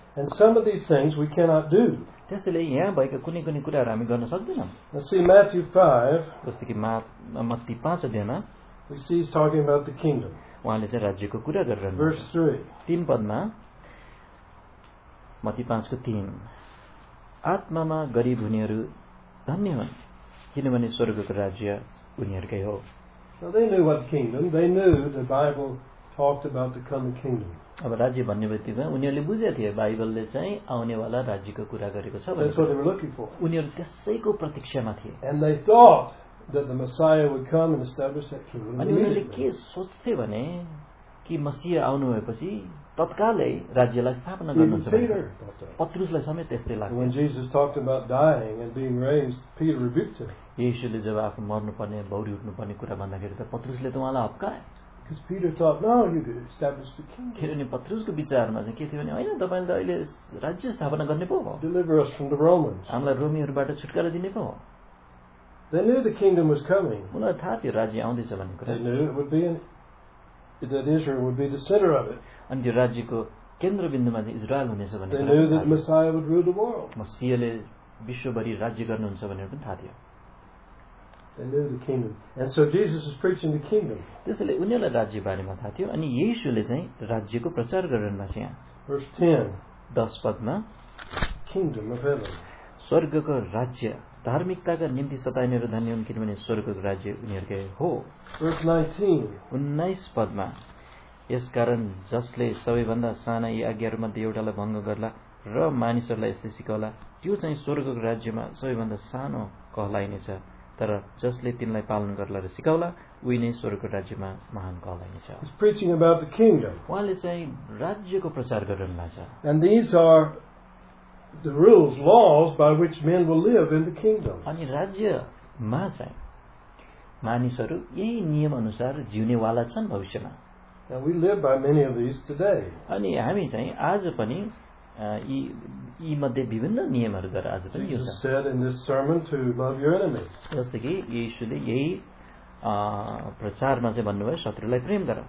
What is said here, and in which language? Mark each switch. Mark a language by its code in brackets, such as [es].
[en] And some of these things we cannot do. [ne] त्यसैले यहाँ भएका कुनै कुनै कुराहरू हामी गर्न सक्दैनौँ. [en] See Matthew 5. [ne] जस्तो कि मत्ती 5 अध्यायमा [en] we see he's talking about the kingdom. [ne] उहाँले चाहिँ राज्यको कुरा गरिरहनु. [en] Verse 3. [ne] तीन पदमा मत्ती 5 को 3. आत्मामा गरीब हुनेहरू धन्य हुन् किनभने स्वर्गको राज्य उनीहरूकै हो. [en] So they knew what kingdom. They knew the Bible talked about the coming kingdom. [ne] अब राज्य भन्ने बित्तिकै उनीहरूले बुझे थिए बाइबलले चाहिँ आउनेवाला राज्यको कुरा गरेको छ. [en] That's what they were looking for. [ne] उनीहरू त्यसैको प्रतीक्षामा थिए. [en] And they thought that the Messiah would come and establish that kingdom. [ne] अनि उनीहरूले के सोच्थे भने कि मसीह आउनु भएपछि तत्कालै राज्यलाई स्थापना गर्नुहुन्छ. पत्रुसलाई समेत त्यस्तै लाग्यो. [en] When Jesus talked about dying and being raised, Peter rebuked him. [ne] यीशुले जब आफू मर्नुपर्ने बौरी उठ्नुपर्ने कुरा भन्दाखेरि त पत्रुसले त उहाँलाई हप्काए. [en] Because Peter thought, no, you could establish the kingdom. [ne] किनभने पत्रुसको विचारमा चाहिँ के थियो भने होइन तपाईँले त अहिले राज्य स्थापना गर्ने पो हो. [en] Deliver us from the Romans. [ne] हामीलाई रोमीहरूबाट छुटकारा दिने पो हो. [en] They knew the kingdom was coming. [ne] उनीहरूलाई थाहा थियो राज्य आउँदैछ भन्ने कुरा. [en] They knew it would be that Israel would be the center of it. [ne] अनि त्यो राज्यको केन्द्रबिन्दुमा चाहिँ इजरायल हुनेछ भन्ने. [en] They knew that Messiah would rule the world. [ne] मसीहले विश्वभरि राज्य गर्नुहुन्छ भनेर पनि थाहा थियो. [en] They knew the kingdom. And so Jesus is preaching the kingdom. [ne] त्यसैले उनीहरूलाई राज्य बारेमा थाहा थियो अनि यीशुले चाहिँ राज्यको प्रचार गरिरहनुभएको छ यहाँ. [en] Verse 10. [ne] 10 पदमा [en] kingdom of heaven. [ne] स्वर्गको राज्य धार्मिकताका निम्ति सताइनेहरू धन्य हुन् किनभने स्वर्गको राज्य उनीहरूकै हो. [en] Verse 19. [ne] 19 पदमा यसकारण जसले सबैभन्दा साना यी आज्ञाहरू मध्ये एउटालाई भङ्ग गर्ला र मानिसहरूलाई यस्तै सिकाउला त्यो चाहिँ स्वर्गको राज्यमा सबैभन्दा सानो कहलाइनेछ तर जसले तिनलाई पालन गर्ला र सिकाउला उही नै स्वर्गको राज्यमा महान कहलाइनेछ. [en] He's preaching about the kingdom. [ne] उहाँले चाहिँ राज्यको प्रचार गरिरहनुभएको छ. [en] And these are the rules, laws by which men will live in the kingdom. [ne] अनि राज्यमा चाहिँ मानिसहरू यही नियम अनुसार जिउने वाला छन् भविष्यमा. [en] And we live by many of these today. [ne] अनि हामी चाहिँ आज पनि यी मध्ये विभिन्न नियमहरू गरेर आज पनि यो छ. [en] Jesus said in this sermon to love your enemies. [ne] जस्तो कि यीशुले यही प्रचारमा चाहिँ भन्नुभयो शत्रुलाई प्रेम गर.